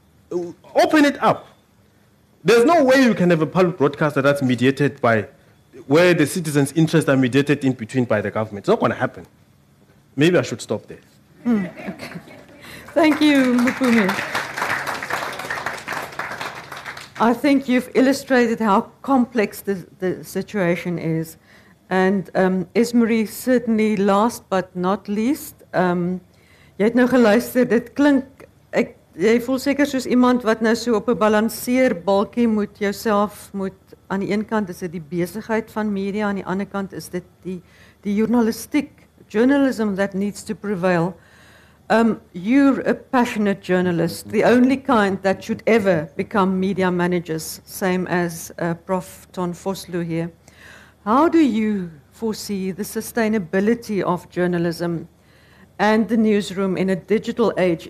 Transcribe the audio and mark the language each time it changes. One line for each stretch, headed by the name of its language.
English: Open it up. There's no way you can have a public broadcaster that's mediated by, where the citizens' interests are mediated in between by the government. It's not going to happen. Maybe I should stop there. Okay. Thank you, Mpumi. I think you've illustrated how complex the situation is. And Esmarie, certainly last but not least,
Afrikaans: jy het nou geluister, dit klink, jy voel seker soos iemand wat nou so op 'n balanseerbalkie moet jouself moet, aan die een kant is dit die besigheid van media, aan die ander kant is dit die journalistiek,
English: journalism that needs to prevail. You're a passionate journalist, the only kind that should ever become media managers, same as Prof. Ton Foslu here. How do you foresee the sustainability of journalism and the newsroom in a digital age?